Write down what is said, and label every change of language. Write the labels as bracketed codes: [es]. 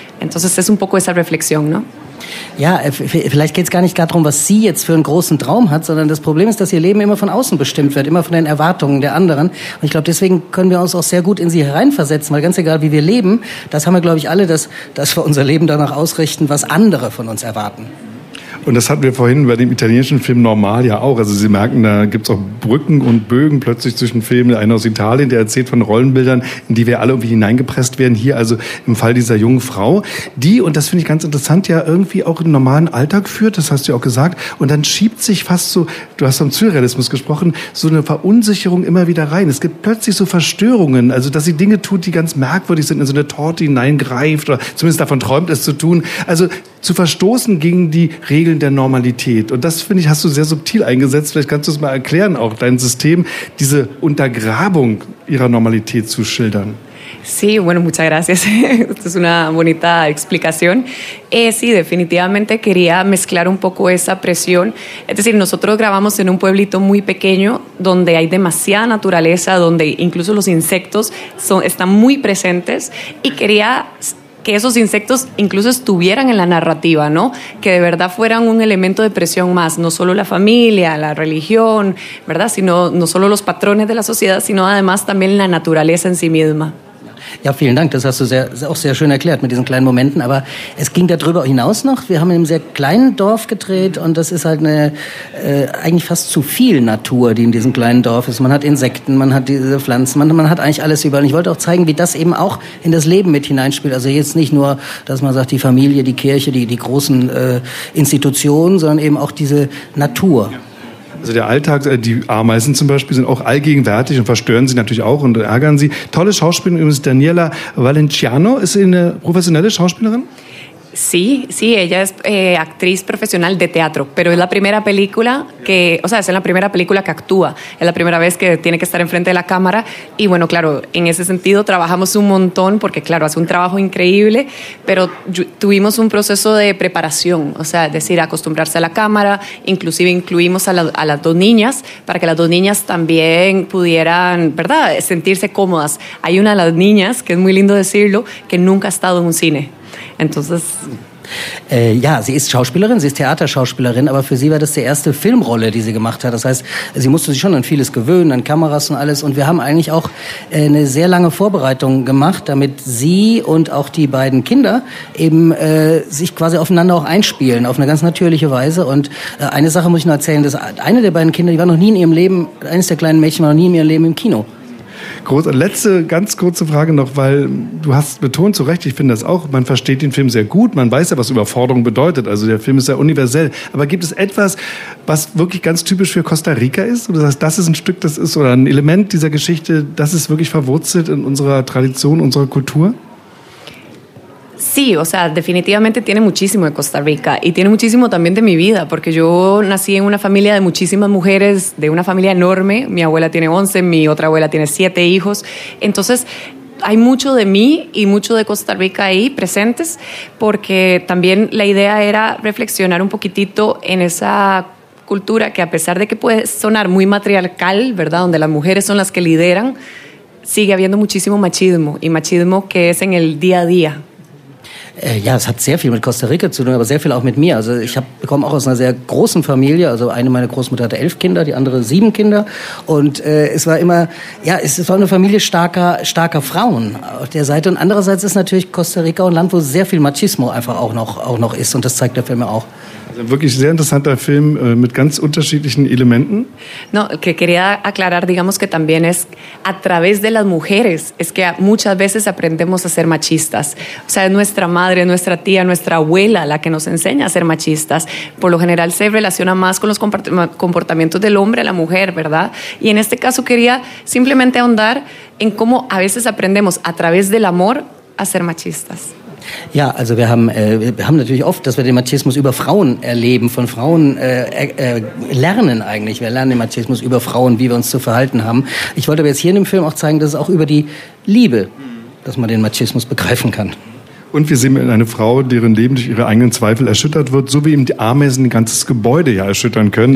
[es] Entonces es un poco esa reflexión, ¿no? [de] Ja, vielleicht geht es gar nicht gar darum, was sie jetzt für einen großen Traum hat, sondern das Problem ist, dass ihr Leben immer von außen bestimmt wird, immer von den Erwartungen der anderen. Und ich glaube, deswegen können wir uns auch sehr gut in sie hereinversetzen, weil ganz egal, wie wir leben, das haben wir, glaube ich, alle, dass wir unser Leben danach ausrichten, was andere von uns erwarten. Und das hatten wir vorhin bei dem italienischen Film Normal ja auch. Also Sie merken, da gibt es auch Brücken und Bögen plötzlich zwischen Filmen. Einer aus Italien, der erzählt von Rollenbildern, in die wir alle irgendwie hineingepresst werden. Hier also im Fall dieser jungen Frau, die, und das finde ich ganz interessant, ja irgendwie auch einen normalen Alltag führt, das hast du ja auch gesagt. Und dann schiebt sich fast so, du hast vom Surrealismus gesprochen, so eine Verunsicherung immer wieder rein. Es gibt plötzlich so Verstörungen, also dass sie Dinge tut, die ganz merkwürdig sind, in so eine Torte hineingreift oder zumindest davon träumt, es zu tun. Also zu verstoßen gegen die Regeln der Normalität. Und das, finde ich, hast du sehr subtil eingesetzt. Vielleicht kannst du es mal erklären, auch dein System, diese Untergrabung ihrer Normalität zu schildern. [es] Sí, bueno, muchas gracias. Esto es una bonita explicación. Sí, definitivamente quería mezclar un poco esa presión. Es decir, nosotros grabamos en un pueblito muy pequeño donde hay demasiada naturaleza, donde incluso los insectos están muy presentes. Y quería que esos insectos incluso estuvieran en la narrativa, ¿no? Que de verdad fueran un elemento de presión más, no solo la familia, la religión, ¿verdad? Sino no solo los patrones de la sociedad, sino además también la naturaleza en sí misma. [de] Ja, vielen Dank. Das hast du sehr schön erklärt mit diesen kleinen Momenten. Aber es ging darüber hinaus noch. Wir haben in einem sehr kleinen Dorf gedreht und das ist halt eigentlich fast zu viel Natur, die in diesem kleinen Dorf ist. Man hat Insekten, man hat diese Pflanzen, man hat eigentlich alles überall. Und ich wollte auch zeigen, wie das eben auch in das Leben mit hineinspielt. Also jetzt nicht nur, dass man sagt, die Familie, die Kirche, die großen Institutionen, sondern eben auch diese Natur. Also der Alltag, die Ameisen zum Beispiel sind auch allgegenwärtig und verstören sie natürlich auch und ärgern sie. Tolle Schauspielerin übrigens, Daniela Valenciano, ist sie eine professionelle Schauspielerin? [es] Sí, sí, ella es actriz profesional de teatro, pero es la primera película que, o sea, es la primera película que actúa, es la primera vez que tiene que estar enfrente de la cámara y bueno, claro, en ese sentido trabajamos un montón porque claro, hace un trabajo increíble, pero tuvimos un proceso de preparación, o sea, es decir, acostumbrarse a la cámara, inclusive incluimos a las dos niñas para que las dos niñas también pudieran, ¿verdad?, sentirse cómodas. Hay una de las niñas, que es muy lindo decirlo, que nunca ha estado en un cine. Entonces, [de] ja, sie ist Schauspielerin, sie ist Theaterschauspielerin, aber für sie war das die erste Filmrolle, die sie gemacht hat. Das heißt, sie musste sich schon an vieles gewöhnen, an Kameras und alles. Und wir haben eigentlich auch eine sehr lange Vorbereitung gemacht, damit sie und auch die beiden Kinder eben sich quasi aufeinander auch einspielen, auf eine ganz natürliche Weise. Und eine Sache muss ich noch erzählen, dass eine der beiden Kinder, die war noch nie in ihrem Leben, eines der kleinen Mädchen war noch nie in ihrem Leben im Kino. Letzte, ganz kurze Frage noch, weil du hast betont zu Recht, ich finde das auch, man versteht den Film sehr gut, man weiß ja, was Überforderung bedeutet, also der Film ist ja universell, aber gibt es etwas, was wirklich ganz typisch für Costa Rica ist, oder das ist ein Stück, das ist, oder ein Element dieser Geschichte, das ist wirklich verwurzelt in unserer Tradition, unserer Kultur? [es] Sí, o sea, definitivamente tiene muchísimo de Costa Rica y tiene muchísimo también de mi vida, porque yo nací en una familia de muchísimas mujeres, de una familia enorme. Mi abuela tiene 11, mi otra abuela tiene 7 hijos. Entonces, hay mucho de mí y mucho de Costa Rica ahí presentes, porque también la idea era reflexionar un poquitito en esa cultura que, a pesar de que puede sonar muy matriarcal, ¿verdad?, donde las mujeres son las que lideran, sigue habiendo muchísimo machismo y machismo que es en el día a día. [de] Ja, es hat sehr viel mit Costa Rica zu tun, aber sehr viel auch mit mir. Also ich komme auch aus einer sehr großen Familie. Also eine meiner Großmutter hatte 11 Kinder, die andere 7 Kinder. Und es war immer, ja, es war eine Familie starker Frauen auf der Seite. Und andererseits ist natürlich Costa Rica ein Land, wo sehr viel Machismo einfach auch noch ist. Und das zeigt der Film ja auch. Also wirklich sehr interessanter Film mit ganz unterschiedlichen Elementen. [es] No, que quería aclarar, digamos que también es a través de las mujeres es que muchas veces aprendemos a ser machistas. O sea, nuestra madre, nuestra tía, nuestra abuela la que nos enseña a ser machistas. Por lo general se relaciona más con los comportamientos del hombre a la mujer, ¿verdad? Y en este caso quería simplemente ahondar en cómo a veces aprendemos a través del amor a ser machistas. [de] Ja, also wir haben natürlich oft, dass wir den Machismus über Frauen erleben, von Frauen lernen eigentlich. Wir lernen den Machismus über Frauen, wie wir uns zu verhalten haben. Ich wollte aber jetzt hier in dem Film auch zeigen, dass es auch über die Liebe, dass man den Machismus begreifen kann. Und wir sehen eine Frau, deren Leben durch ihre eigenen Zweifel erschüttert wird, so wie eben die Ameisen ein ganzes Gebäude ja erschüttern können.